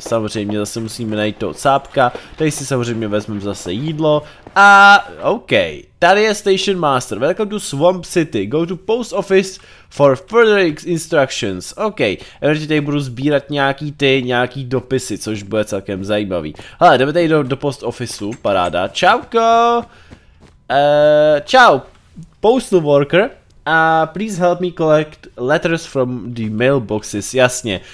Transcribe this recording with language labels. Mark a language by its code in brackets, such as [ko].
[cs] Samozřejmě zase musíme najít toho cápka. Tady si samozřejmě vezmeme zase jídlo. [en] A OK. [cs] Tady je [en] station master. Welcome to Swamp City. Go to post office for further instructions. OK. [cs] Evidentně tady budu sbírat nějaký dopisy, což bude celkem zajímavý. Hele, jdeme tady do post officeu. Paráda. Čauko. Čau. [en] Postal worker. A please help me collect letters from the mailboxes, [cs] jasně.